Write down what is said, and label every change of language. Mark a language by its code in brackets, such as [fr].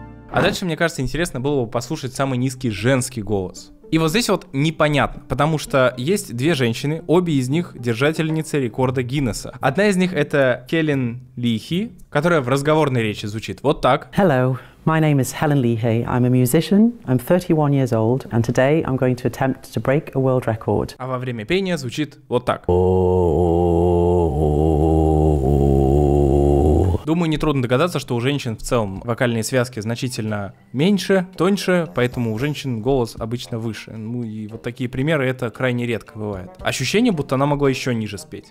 [ru] А дальше, мне кажется, интересно было бы послушать самый низкий женский голос. И вот здесь вот непонятно, потому что есть две женщины, обе из них держательницы рекорда Гиннесса. Одна из них это Хелен Лихи, которая в разговорной речи звучит вот так. [en] Hello. My name is Helen Leahy. I'm a musician. I'm 31 years old, and today I'm going to attempt to break a world record. [ru] А во время пения звучит вот так. Думаю, нетрудно догадаться, что у женщин в целом вокальные связки значительно меньше, тоньше, поэтому у женщин голос обычно выше. Ну и вот такие примеры, это крайне редко бывает. Ощущение, будто она могла еще ниже спеть.